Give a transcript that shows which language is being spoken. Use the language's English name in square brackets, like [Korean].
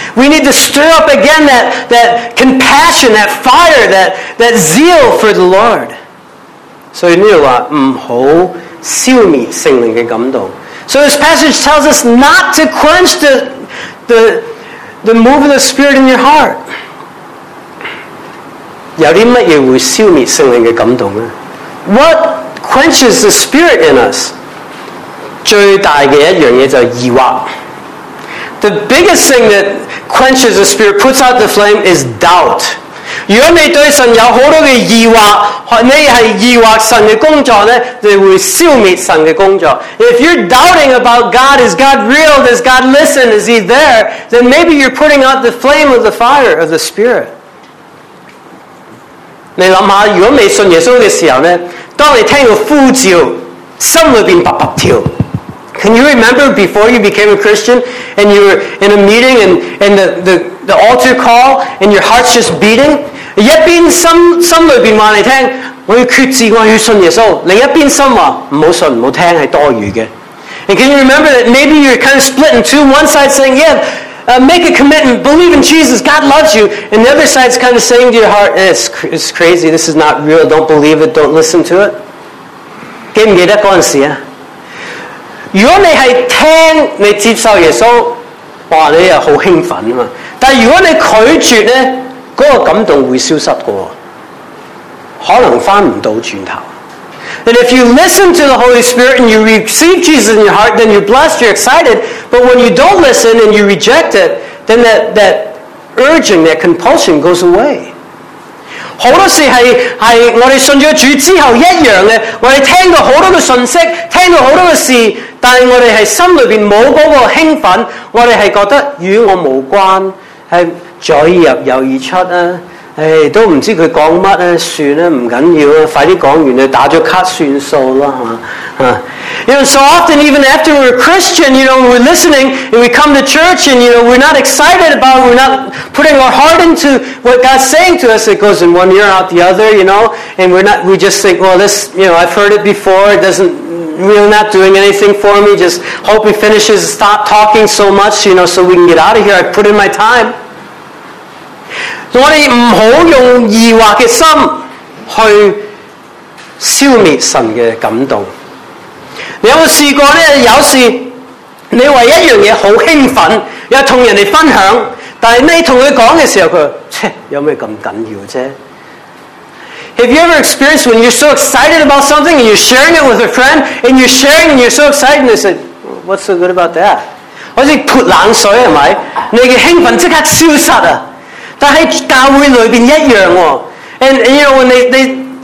[English] We need to stir up again that compassion, that fire, that zeal for the Lord. [Cantonese] 所以呢度话唔好消灭圣灵嘅感动。 [English] So this passage tells us not to quench the move of the Spirit in your heart. [Cantonese] 有啲乜嘢会消灭圣灵嘅感动呢？ [English] What quenches the Spirit in us? [Cantonese] 最大嘅一样嘢就疑惑。 [English] The biggest thing that quenches the Spirit, puts out the flame, is doubt. [Cantonese] 如果你对神有好多嘅疑惑，你是疑惑神的工作呢，就会消灭神的工作。 [English] If you're doubting about God, is God real? Does God listen? Is He there? Then maybe you're putting out the flame of the fire of the Spirit. [Cantonese] 你想想，如果未信耶稣的时候呢，当你听到呼召，心里面啪啪跳。 [English] Can you remember before you became a Christian and you were in a meeting and the altar call and your heart's just beating? [Cantonese] 一边心里边话你听，我要决志，我要信耶稣。另一边心话唔好信，唔好听，系多余嘅。 [English] And can you remember that maybe you're kind of split in two? One side saying, "Yeah, make a commitment, believe in Jesus, God loves you," and the other side's kind of saying to your heart, "It's crazy. This is not real. Don't believe it. Don't listen to it." [Cantonese] 记唔记得嗰阵时啊？如果你系听你接受耶稣，哇，你又好兴奋啊嘛。但如果你拒绝咧？那个感动会消失的，可能翻不到转头。 [English] And if you listen to the Holy Spirit and you receive Jesus in your heart, then you're blessed, you're excited. But when you don't listen and you reject it, then that urging, that compulsion goes away. [Cantonese] 好多时系我哋信咗主之后一样嘅，我哋听到好多嘅信息，听到好多嘅事，但系我哋系心里边冇嗰个兴奋，我哋系觉得与我无关，系。再入又易出啊！唉，都唔知佢讲乜咧，算啦，唔紧要啦，快啲讲完就打咗卡算数啦，系嘛？ [English] You know, so often even after we're Christian, you know, we're listening and we come to church and you know we're not excited about it, we're not putting our heart into what God's saying to us. It goes in one ear out the other, you know, and we just think, well, this, you know, I've heard it before. It doesn't really not doing anything for me. Just hope He finishes, stop talking so much, you know, so we can get out of here. I put in my time. [Cantonese] 我哋唔好用疑惑嘅心去消灭神嘅感动。你有冇试过咧？有时你为一样嘢好兴奋，又同人哋分享，但系你同佢讲嘅时候，佢切有咩咁紧要啫 [English] ？Have you ever experienced when you're so excited about something and you're sharing it with a friend and you're sharing and you're so excited and they say, "What's so good about that?" [Cantonese] 好似泼冷水系咪？你嘅兴奋即刻消失啊！但在教会里面一样、哦、 [English] and you know when they